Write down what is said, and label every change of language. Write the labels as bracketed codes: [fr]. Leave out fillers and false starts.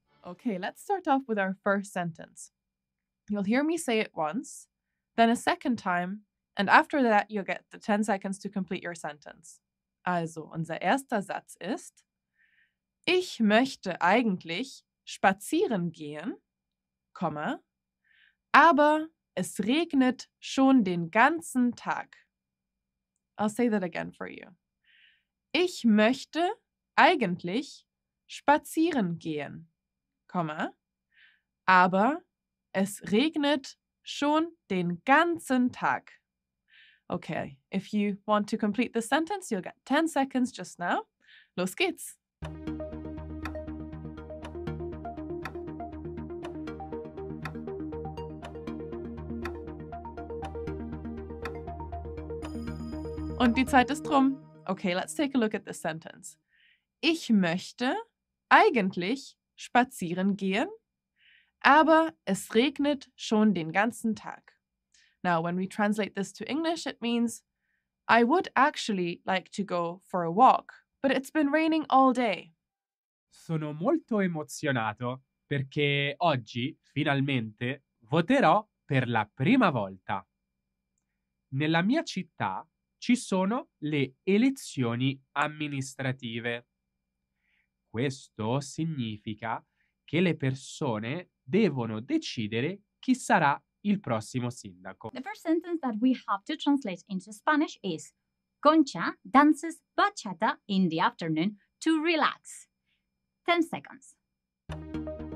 [en] Okay, let's start off with our first sentence. You'll hear me say it once, then a second time, and after that you'll get the 10 seconds to complete your sentence. [de] Also, unser erster Satz ist, ich möchte eigentlich spazieren gehen, aber es regnet schon den ganzen Tag. [en] I'll say that again for you. [de] Ich möchte eigentlich spazieren gehen. Aber es regnet schon den ganzen Tag. [en] Okay, if you want to complete the sentence, you'll get 10 seconds just now. [de] Los geht's! Und die Zeit ist rum. [en] Okay, let's take a look at this sentence. [de] Ich möchte eigentlich spazieren gehen, aber es regnet schon den ganzen Tag. [en] Now, when we translate this to English, it means I would actually like to go for a walk, but it's been raining all day. [it] Sono molto emozionato perché oggi, finalmente, voterò per la prima volta. Nella mia città ci sono le elezioni amministrative. Questo significa che le persone devono decidere chi sarà il prossimo sindaco. [en] The first sentence that we have to translate into Spanish is Concha dances bachata in the afternoon to relax. 10 seconds.